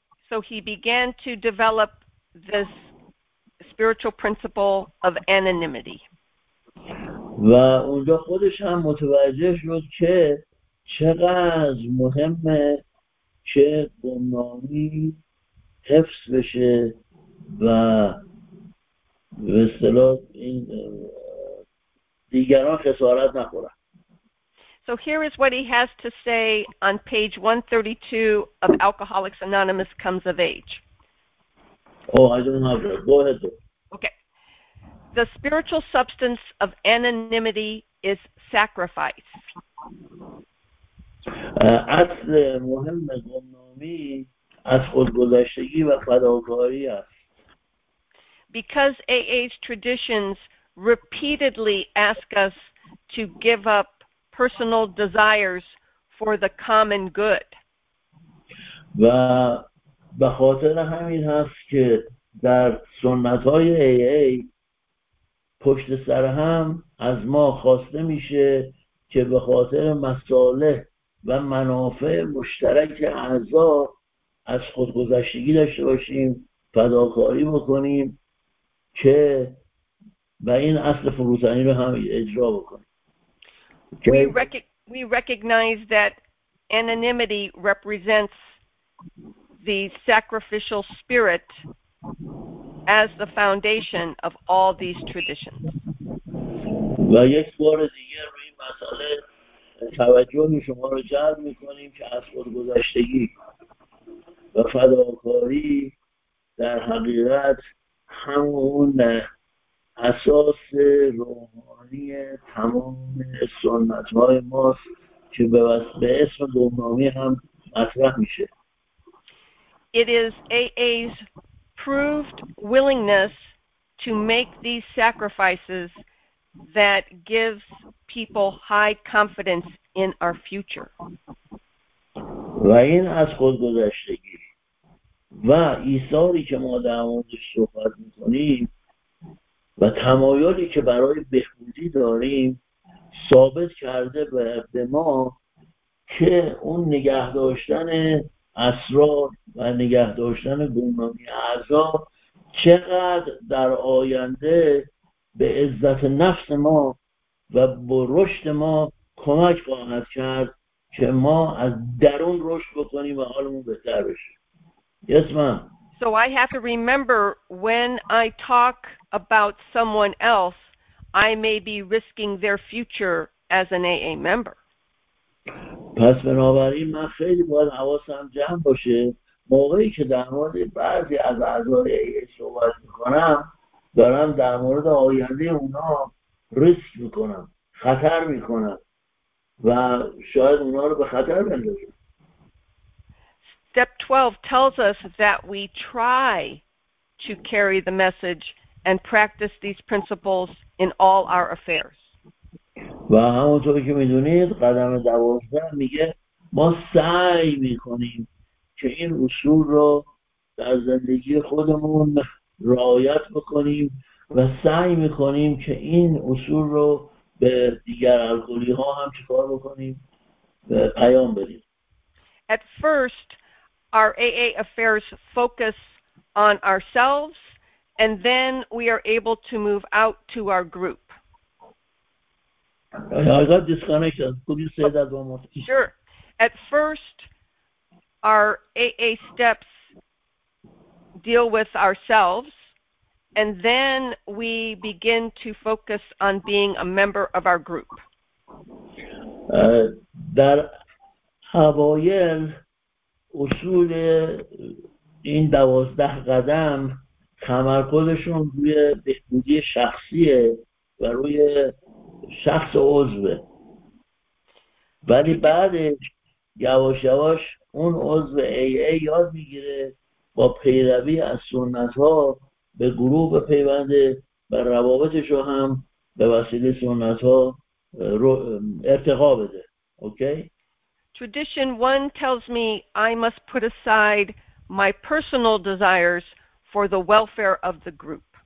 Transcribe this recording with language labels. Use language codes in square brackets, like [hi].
[en] So he began to develop this spiritual principle of anonymity. [fa] و اونجا خودش هم متوجه شد که چقدر مهمه که گمنامی حفظ بشه و به اصطلاح این دیگران خسارت نخورن. [en] So here is what he has to say on page 132 of Alcoholics Anonymous Comes of Age. Oh, I don't have that. Go ahead. Okay. The spiritual substance of anonymity is sacrifice. [fa] اصل مهم گمنامی از خودگذشتگی و فداکاری است. [en] Because AA's traditions repeatedly ask us to give up personal desires for the common good. [fa] و به خاطر همین هست که در سنت های AA پشت سر هم از ما خواسته میشه که به خاطر مصالح و منافع مشترک اعضا از خودگذشتگی داشته باشیم، فداکاری بکنیم که و این اصل فروتنی رو هم اجرا بکنیم. [en] We recognize that anonymity represents the sacrificial spirit as the foundation of all these traditions. [fa] و یک بار دیگر روی مسئله توجه شما رو جلب میکنیم که از خودگذشتگی و فداکاری در حقیقت همون اساس روحانی تمام سنت های ماست که به اسم گمنامی هم مطرح میشه. [en] It is AA's proved willingness to make these sacrifices that gives people high confidence in our future. [fa] و این از خودگذشتگی و ایثاری که ما در موردش صحبت میکنیم و تمایلی که برای بهبودی داریم ثابت کرده به ما که اون نگه داشتن اسرار و نگه داشتن گمنامی اعضا چقدر در آینده به عزت نفس ما و به رشد ما کمک خواهد کرد که ما از درون رشد بکنیم و حالمون بهتر بشه. [en] Yes, ma'am. So I have to remember when I talk about someone else, I may be risking their future as an AA member. [fa] پس بنابراین من خیلی باید حواسم جمع باشه موقعی که در مورد بعضی از اعضای AA صحبت میکنم، دارم در مورد آینده اونا ریسک میکنم، خطر میکنم و شاید اونا رو به خطر بندازم. [en] Step 12 tells us that we try to carry the message and practice these principles in all our affairs. [fa] و همونطور که میدونید قدم 12 میگه ما سعی میکنیم که این اصول رو در زندگی خودمون رعایت بکنیم و سعی میکنیم که این اصول رو به دیگر الکلی ها هم چیکار بکنیم و پیام بدیم. [en] At first our AA affairs focus on ourselves, and then we are able to move out to our group. I got disconnected. Could you say that one more time? Sure. At first, our AA steps deal with ourselves, and then we begin to focus on being a member of our group. [fa] در اوایل اصول این 12 قدم تمرکزشون روی بهبودی شخصیه و روی شخص عضوه، ولی بعدش یواش یواش اون عضو AA یاد میگیره با پیروی از سنت ها به گروه پیونده و روابطش رو هم به وسیله سنت ها ارتقا بده. [en] Okay? Tradition 1 tells me I must put aside my personal desires for the welfare of the group.